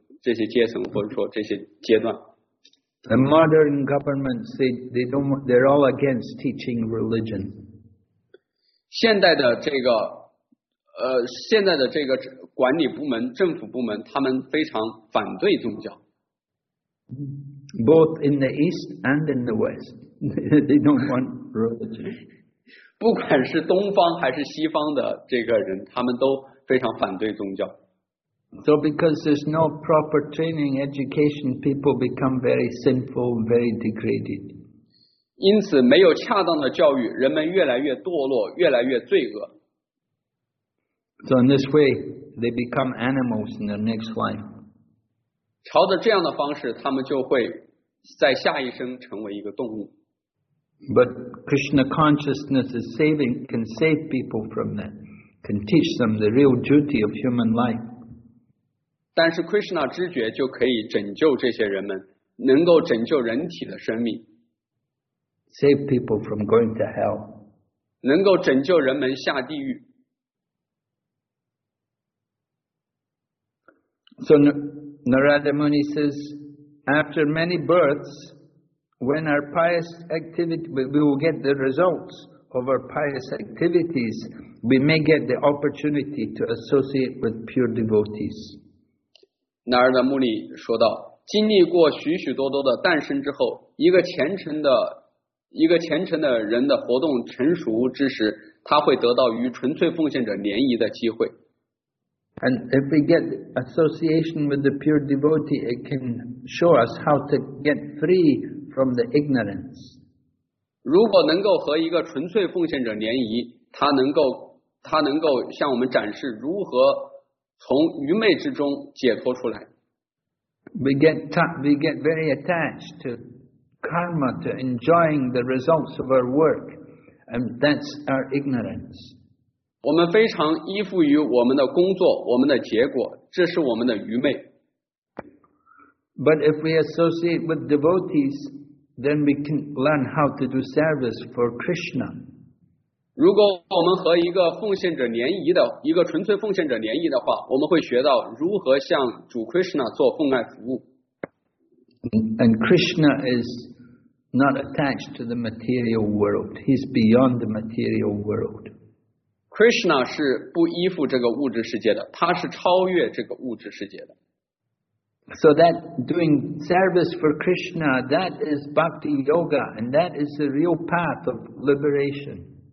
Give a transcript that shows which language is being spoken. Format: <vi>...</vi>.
<zh>这些阶层或者说这些阶段。</zh> <en>The modern governments, they're all against teaching religion.</en> <zh>现代的这个管理部门,政府部门,他们非常反对宗教。</zh> <en>both in the East and in the West. They don't want religion.</en> <zh>不管是东方还是西方的这个人，他们都非常反对宗教。</zh> <en>So because there's no proper training, education, people become very sinful, very degraded.</en> <zh>因此没有恰当的教育，人们越来越堕落，越来越罪恶。</zh> <en>So in this way, they become animals in their next life.</en> <zh>朝着这样的方式，他们就会在下一生成为一个动物。</zh> <en>But Krishna consciousness is saving, can save people from that, can teach them the real duty of human life.</en> <zh>但是 Krishna 知觉就可以拯救这些人们，能够拯救人体的生命</zh> <en>，save people from going to hell，</en> <zh>能够拯救人们下地狱。</zh> <en>So Narada Muni says, after many births, when our pious activity, we will get the results of our pious activities, we may get the opportunity to associate with pure devotees.</en> <zh>那儿的穆尼说道，经历过许许多多的诞生之后，一个虔诚的人的活动成熟之时，他会得到与纯粹奉献者联谊的机会。</zh> <en>And if we get association with the pure devotee, it can show us how to get free from the ignorance.</en> <zh>如果能够和一个纯粹奉献者联谊，他能够向我们展示如何从愚昧之中解脱出来。</zh> <en>We get very attached to karma, to enjoying the results of our work, and that's our ignorance.</en> <zh>我们非常依附于我们的工作，我们的结果，这是我们的愚昧。</zh> <en>But if we associate with devotees, then we can learn how to do service for Krishna.</en> <zh>如果我们和一个奉献者联谊的，一个纯粹奉献者联谊的话，我们会学到如何向主 Krishna 做奉爱服务。</zh> <en>And Krishna is not attached to the material world. He's beyond the material world.</en> <zh>Krishna 是不依附这个物质世界的，他是超越这个物质世界的。</zh> <en>So that doing service for Krishna, that is bhakti yoga, and that is the real path of liberation.</en>